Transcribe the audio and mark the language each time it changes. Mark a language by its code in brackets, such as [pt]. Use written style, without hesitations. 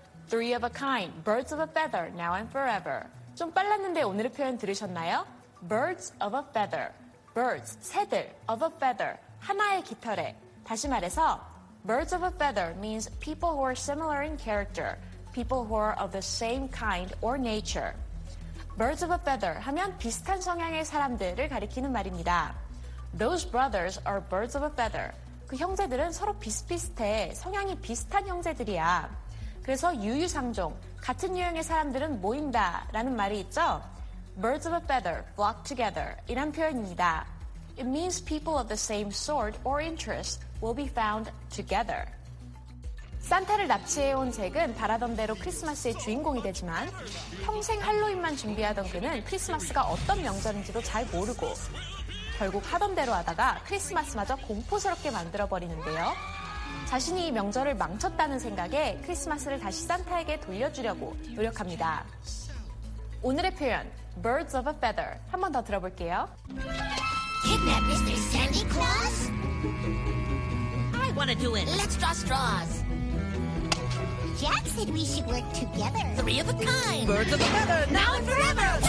[en] Three of a kind, birds of a feather, now and forever. [ko] 좀 빨랐는데 오늘의 표현 들으셨나요? [en] Birds of a feather. Birds, [ko] 새들, [en] of a feather, [ko] 하나의 깃털에. 다시 말해서, [en] birds of a feather means people who are similar in character, people who are of the same kind or nature. Birds of a feather [ko] 하면 비슷한 성향의 사람들을 가리키는 말입니다. [en] Those brothers are birds of a feather. [ko] 그 형제들은 서로 비슷비슷해, 성향이 비슷한 형제들이야. 그래서 유유상종, 같은 유형의 사람들은 모인다 라는 말이 있죠. [en] Birds of a feather flock together [ko] 이란 표현입니다. [en] It means people of the same sort or interest will be found together. [ko] 산타를 납치해온 잭은 바라던 대로 크리스마스의 주인공이 되지만 평생 할로윈만 준비하던 그는 크리스마스가 어떤 명절인지도 잘 모르고 결국 하던 대로 하다가 크리스마스마저 공포스럽게 만들어버리는데요. 자신이 이 명절을 망쳤다는 생각에 크리스마스를 다시 산타에게 돌려주려고 노력합니다. 오늘의 표현, [en] birds of a feather. [ko] 한 번 더 들어볼게요. [en] Kidnap Mr. Sandy Claus? I wanna do it. Let's draw straws. Jack said we should work together. Three of a kind. Birds of a feather, now and forever.